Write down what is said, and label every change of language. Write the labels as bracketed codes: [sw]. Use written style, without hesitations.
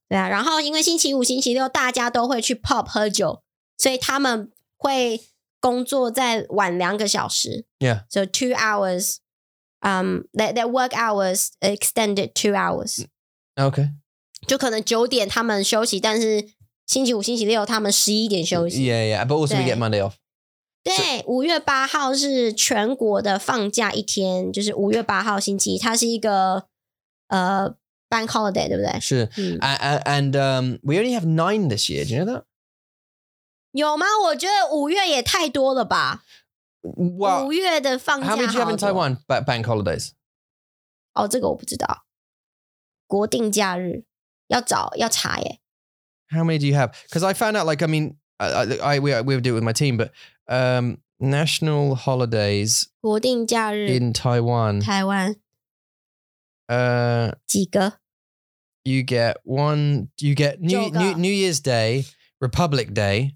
[zh] 对啊,然后因为星期五,星期六, 大家都会去 pub喝酒, 所以他们会工作在晚两个小时。 [en] Yeah. So 2 hours, their work hours extended 2 hours. Okay. [zh] 就可能9点他们休息, 但是星期五,星期六他们11点休息。 [en] Yeah, yeah, but also we get Monday off. [zh] 对, 5月8号是全国的放假一天, 就是5月8号星期一, 它是一个, bank holiday, 对不对? 是, [en] and we only have 9 this year, do you know that? [zh] 有吗?我觉得5月也太多了吧? [en] Well, [zh] 5月的放假好多。 [en] How many do you have in Taiwan, bank holidays? [zh] 哦, 这个我不知道, 国定假日, 要找, 要查耶。 [en] How many do you have? Because I found out, like, I mean, we do it with my team, but national holidays [zh] 国定假日, [en] in Taiwan. [zh] 台湾, 几个? [en] You get one, you get New Year's Day, Republic Day,